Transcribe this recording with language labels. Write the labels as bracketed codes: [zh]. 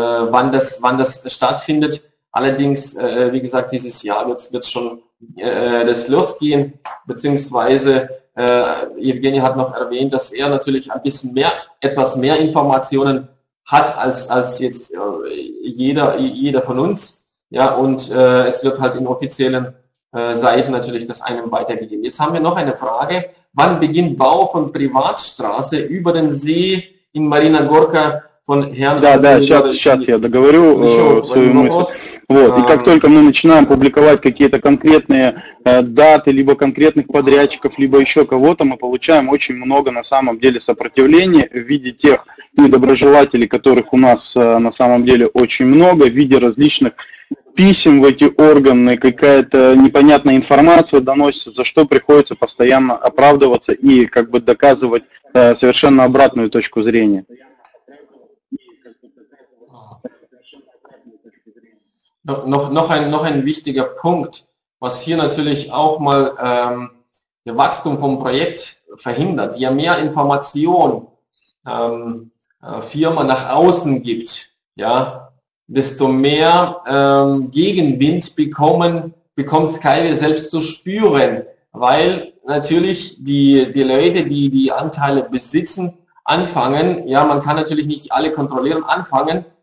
[de] Wann das stattfindet. Allerdings, wie gesagt, dieses Jahr wird schon das losgehen, beziehungsweise Evgeny hat noch erwähnt, dass er natürlich ein bisschen mehr, etwas mehr Informationen hat als jetzt jeder von uns. Ja, und es wird halt in offiziellen Seiten natürlich das einem weitergegeben. Jetzt haben wir noch eine Frage. Wann beginnt Bau von Privatstraße über den See in Marina Gorka? [ru] Да, сейчас я договорю свою мысль. Вот. И как только мы начинаем публиковать какие-то конкретные даты, либо конкретных подрядчиков, либо еще кого-то, мы получаем очень много на самом деле сопротивления в виде тех недоброжелателей, которых у нас на самом деле очень много, в виде различных писем в эти органы, какая-то непонятная информация доносится, за что приходится постоянно оправдываться и как бы доказывать совершенно обратную точку зрения. [de] Noch ein wichtiger Punkt, was hier natürlich auch mal der Wachstum vom Projekt verhindert. Je mehr Information Firma nach außen gibt, ja, desto mehr Gegenwind bekommt SkyWay selbst zu spüren, weil natürlich die Leute, die Anteile besitzen, anfangen, ja, man kann natürlich nicht alle kontrollieren, anfangen,